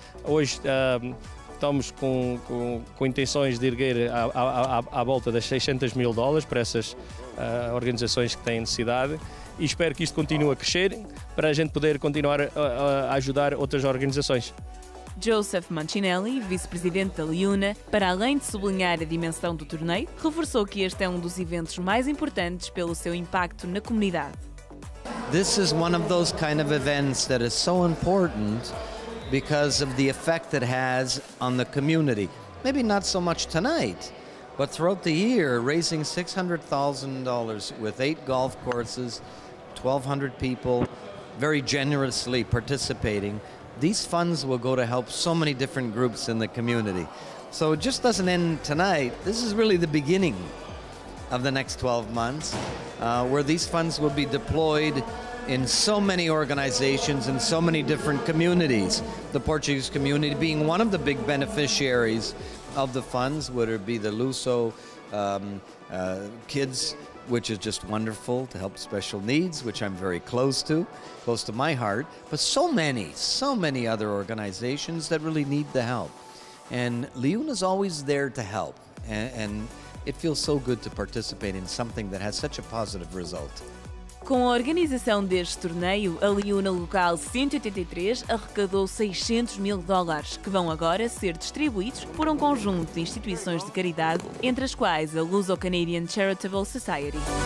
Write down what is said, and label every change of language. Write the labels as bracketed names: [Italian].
[Portuguese] Hoje estamos com intenções de erguer à volta das $600 mil para essas organizações que têm necessidade e espero que isto continue a crescer para a gente poder continuar a ajudar outras organizações. Joseph Mancinelli, vice-presidente da LiUNA, para além de sublinhar a dimensão do torneio, reforçou que este é um dos eventos mais importantes pelo seu impacto na comunidade. [English] This is one of those kind of events that is so important because of the effect it has on the community. Maybe not so much tonight, but throughout the year, raising $600,000 with 8 golf courses, 1,200 people, very generously participating, these funds will go to help so many different groups in the community. So it just doesn't end tonight. This is really the beginning of the next 12 months, where these funds will be deployed in so many organizations and so many different communities, the Portuguese community being one of the big beneficiaries of the funds, whether it be the Luso kids, which is just wonderful to help special needs, which I'm very close to my heart, but so many other organizations that really need the help. And LiUNA is always there to help, and it feels so good to participate in something that has such a positive result. [Portuguese] Com a organização deste torneio, a LiUNA Local 183 arrecadou $600 mil, que vão agora ser distribuídos por um conjunto de instituições de caridade, entre as quais a Luso-Canadian Charitable Society.